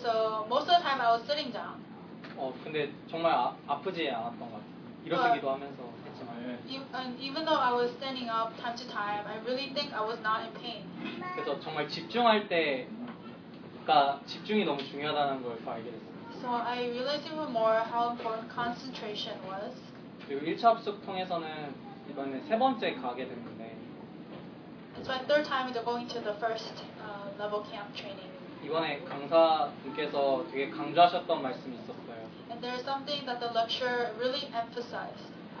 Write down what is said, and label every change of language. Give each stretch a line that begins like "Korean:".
English: So most of the time I was sitting down.
Korean: 근데 정말 아프지 않았던 것 같아요. 일어서기도 하면서 했지만.
English: And even though I was standing up time to time, I really think I was not in pain.
Korean: 그래서 정말 집중할 때가 집중이 너무 중요하다는 걸 알게 됐어요.
English: So I realized even more how important concentration was.
Korean: 그리고 1차 합숙 통해서는 이번에 세 번째 가게 됐는데.
English: It's my third time to going to the first level camp training.
Korean: 이번에 강사님께서 되게 강조하셨던 말씀이 있었어요.
English: And there is something that the lecture really emphasized.